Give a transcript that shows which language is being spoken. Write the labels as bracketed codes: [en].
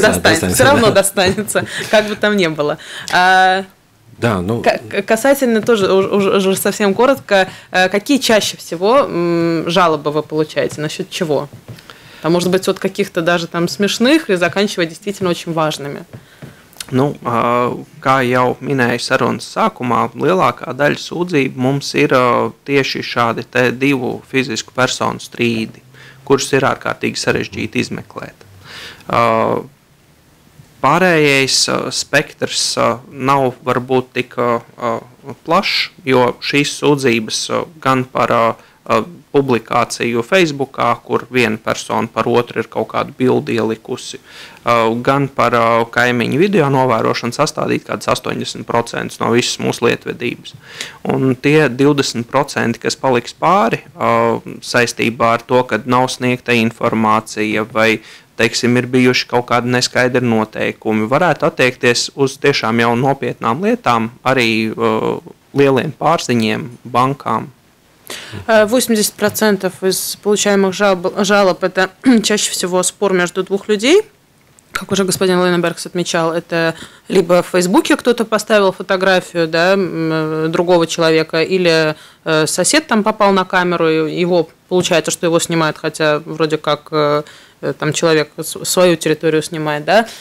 [ru] достанется. Все равно достанется, как бы там ни было. Да, ну... Касательно тоже, уже совсем коротко, какие чаще всего жалобы вы получаете, насчет чего? Там, может быть, от каких-то даже там смешных и заканчивая действительно очень важными. [lv] Ну, kā jau minēju sarunas sākumā, lielākā daļa sūdzību mums ir tieši šādi te divu fizisku personu strīdi, kurus ir ārkārtīgi sarežģīti izmeklēt. Pārējais spektrs nav varbūt tik plašs, jo šīs sūdzības gan par publikāciju Facebookā, kur viena persona par otru ir kaut kādu bildi ielikusi, gan par kaimiņu video novērošanu sastādīt kādas 80% no visas mūsu lietvedības. Un tie 20%, kas paliks pāri saistībā ar to, kad nav sniegta informācija vai, teiksim, ir bijuši kaut kādi neskaidri noteikumi, varētu attiekties uz tiešām jau nopietnām lietām, arī lieliem pārziņiem, bankām. [ru] 80% из получаемых жалоб – это чаще всего спор между двух людей. Как уже господин Лейнбергс отмечал, это либо в Фейсбуке кто-то поставил фотографию, да, другого человека, или сосед там попал на камеру, и его, получается, что его снимают, хотя вроде как там человек свою территорию снимает. Да.